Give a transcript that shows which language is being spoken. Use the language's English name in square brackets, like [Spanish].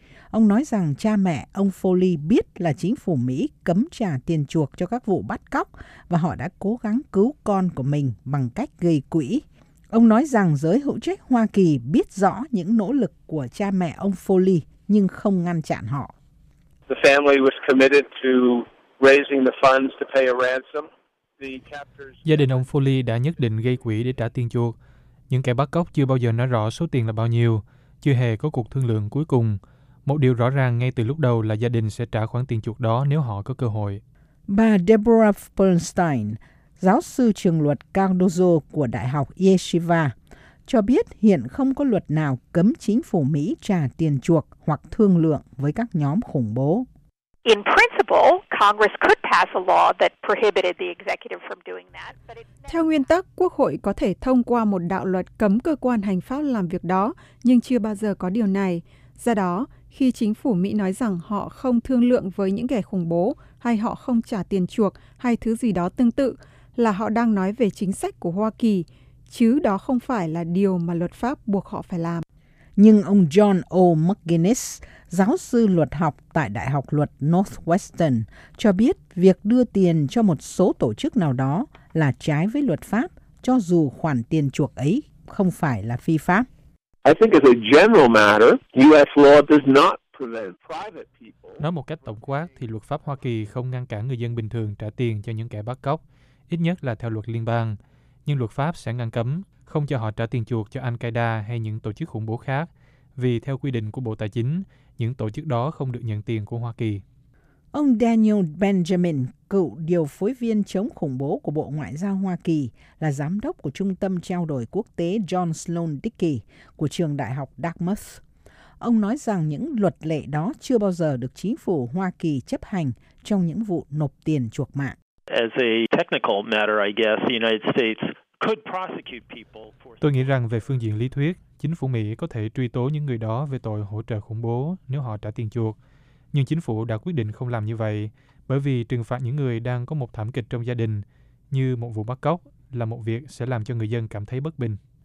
[Vietnamese] Ông nói rằng cha mẹ ông Foley biết là chính phủ Mỹ cấm trả tiền chuộc cho các vụ bắt cóc và họ đã cố gắng cứu con của mình bằng cách gây quỹ. Ông nói rằng giới hữu trách Hoa Kỳ biết rõ những nỗ lực của cha mẹ ông Foley nhưng không ngăn chặn họ. [English] The family was committed to raising the funds to pay a ransom. [Vietnamese] Gia đình ông Foley đã nhất định gây quỹ để trả tiền chuộc. Những kẻ bắt cóc chưa bao giờ nói rõ số tiền là bao nhiêu, chưa hề có cuộc thương lượng cuối cùng. Một điều rõ ràng ngay từ lúc đầu là gia đình sẽ trả khoản tiền chuộc đó nếu họ có cơ hội. Bà Deborah Bernstein, giáo sư trường luật Cardozo của Đại học Yeshiva, cho biết hiện không có luật nào cấm chính phủ Mỹ trả tiền chuộc hoặc thương lượng với các nhóm khủng bố. [English] In principle, Congress could pass a law that prohibited the executive from doing that. [Vietnamese] Theo nguyên tắc, Quốc hội có thể thông qua một đạo luật cấm cơ quan hành pháp làm việc đó, nhưng chưa bao giờ có điều này. Do đó, khi chính phủ Mỹ nói rằng họ không thương lượng với những kẻ khủng bố, hay họ không trả tiền chuộc hay thứ gì đó tương tự, là họ đang nói về chính sách của Hoa Kỳ, chứ đó không phải là điều mà luật pháp buộc họ phải làm. Nhưng ông John O. McGinnis, giáo sư luật học tại Đại học Luật Northwestern, cho biết việc đưa tiền cho một số tổ chức nào đó là trái với luật pháp, cho dù khoản tiền chuộc ấy không phải là phi pháp. [English] I think as a general matter, U.S. law does not prevent private people. [Vietnamese] Nói một cách tổng quát thì luật pháp Hoa Kỳ không ngăn cản người dân bình thường trả tiền cho những kẻ bắt cóc, ít nhất là theo luật liên bang. Nhưng luật pháp sẽ ngăn cấm, không cho họ trả tiền chuộc cho Al-Qaeda hay những tổ chức khủng bố khác, vì theo quy định của Bộ Tài chính, những tổ chức đó không được nhận tiền của Hoa Kỳ. Ông Daniel Benjamin, cựu điều phối viên chống khủng bố của Bộ Ngoại giao Hoa Kỳ, là giám đốc của Trung tâm Trao đổi Quốc tế John Sloan Dickey của Trường Đại học Dartmouth. Ông nói rằng những luật lệ đó chưa bao giờ được chính phủ Hoa Kỳ chấp hành trong những vụ nộp tiền chuộc mạng. [English] As a technical matter, I guess the United States could prosecute people for. [Vietnamese] Tôi nghĩ rằng về phương diện lý thuyết, chính phủ Mỹ có thể truy tố những người đó về tội hỗ trợ khủng bố nếu họ trả tiền chuộc. Nhưng chính phủ đã quyết định không làm như vậy, bởi vì trừng phạt những người đang có một thảm kịch trong gia đình, như một vụ bắt cóc, là một việc sẽ làm cho người dân cảm thấy bất bình.